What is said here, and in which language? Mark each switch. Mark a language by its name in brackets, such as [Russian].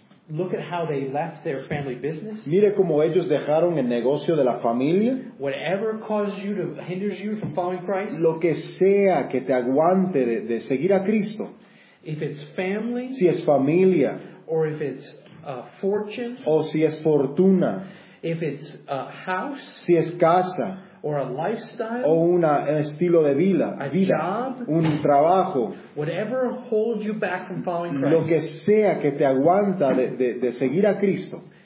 [English] Look at how they left their family business. [Spanish] Mire cómo ellos dejaron el negocio de la familia. [English] Whatever causes you to hinders you from following Christ. [Spanish] Lo que sea que te aguante de seguir a Cristo. [English] If it's family, [Spanish] si es familia, [English] or if it's fortune, [Spanish] o si es fortuna, [English] if it's a house, [Spanish] si es casa, [English] or a lifestyle, [Spanish] o un estilo de vida, [English] a [Spanish] vida, [English] job, [Spanish] un trabajo, [English] whatever holds you back from following Christ, [Spanish] lo que sea que te aguanta de seguir a Cristo,